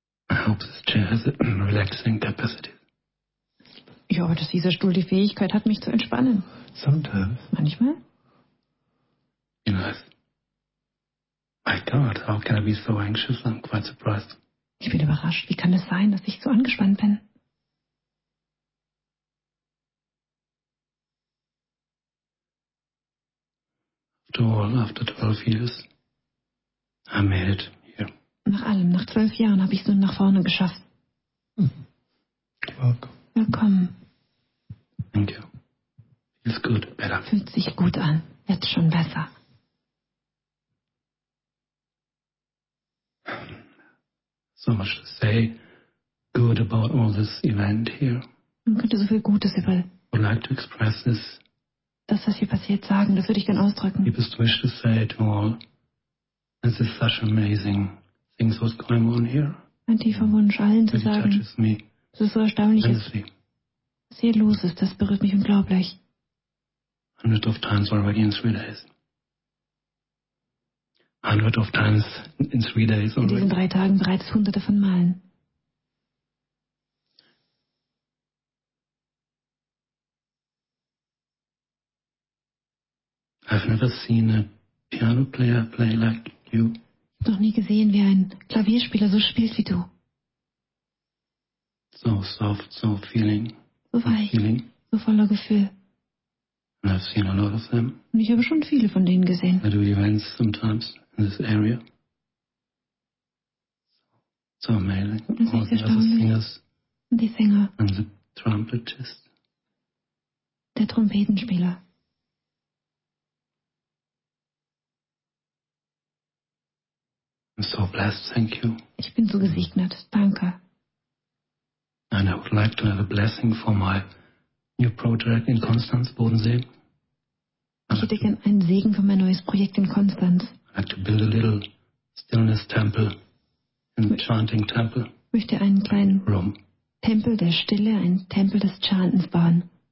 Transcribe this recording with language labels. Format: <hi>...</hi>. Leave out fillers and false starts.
<en>I hope this chair has a relaxing capacity.</en> <de>Ich hoffe, dass dieser Stuhl die Fähigkeit hat, mich zu entspannen.</de> <en>Sometimes.</en> <de>Manchmal.</de> <en>You know, my God, how can I be so anxious? I'm quite surprised.</en> <de>Ich bin überrascht. Wie kann es sein, dass ich so angespannt bin?</de> <en>After all, after 12 years, I made it here.</en> <de>Nach allem, nach 12 Jahren, habe ich es nun nach vorne geschafft.</de> <en>Welcome.</en> <de>Willkommen.</de> <en>Thank you. Feels good, better.</en> <de>Fühlt sich gut an. Jetzt schon besser.</de> <en>So much to say good about all this event here.</en> <de>Man könnte so viel Gutes über.</de> <en>Would like to express this.</en> <de>Das, was hier passiert, sagen. Das würde ich gerne ausdrücken.</de> <en>Deepest wish to say to all. This is such amazing things what's going on here.</en> <de>Ein tiefer Wunsch allen zu sagen.</de> <en>Really touches me.</en> <de>Das ist so erstaunlich.</de> <en>Honestly.</en> <de>Was hier los ist, das berührt mich unglaublich.</de> <en>Hundreds of times already in 3 days. Hundreds of times in 3 days already.</en> <de>In diesen 3 Tagen bereits hunderte von Malen.</de> <en>I've never seen a piano player play like you.</en> <de>Noch nie gesehen, wie ein Klavierspieler so spielt wie du.</de> <en>So soft, so feeling.</en> <de>So weich, so voller Gefühl.</de> <en>And I've seen a lot of them.</en> <de>Und ich habe schon viele von denen gesehen.</de> <en>I do events sometimes in this area. So amazing.</en> <de>Das</de> <en>All the other singers. And the trumpetist.</en> <de>Der Trompetenspieler.</de> <en>I'm so blessed, thank you.</en> <de>Ich bin so gesegnet, danke.</de> <en>And I would like to have a blessing for my new project in Konstanz, Bodensee.</en> <de>Ich hätte gern einen Segen für mein neues Projekt in Konstanz.</de> <en>I'd like to build a little stillness temple, an chanting temple.</en> <de>Ich möchte einen kleinen</de> <en>room.</en> <de>Tempel der Stille, einen Tempel des Chantens bauen.</de>